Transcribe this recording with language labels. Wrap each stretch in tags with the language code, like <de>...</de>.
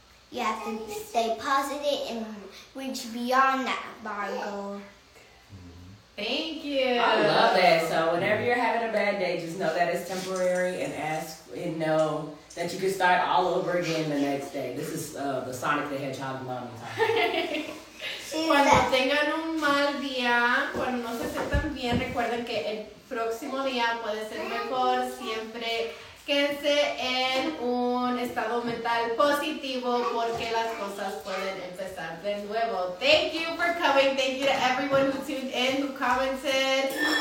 <en>You have to stay positive and reach beyond that bar goal. Thank you. I love that. So whenever you're having a bad day, just know that it's temporary and ask and know that you can start all over again the next day. This is the Sonic the Hedgehog mommy time.</en> <es>Cuando tengan un mal día, cuando no se sientan bien, recuerden que el próximo día puede ser mejor. Siempre quédense en un estado mental positivo porque las cosas pueden empezar de nuevo.</es> <en>Thank you for coming. Thank you to everyone who tuned in, who commented.</en>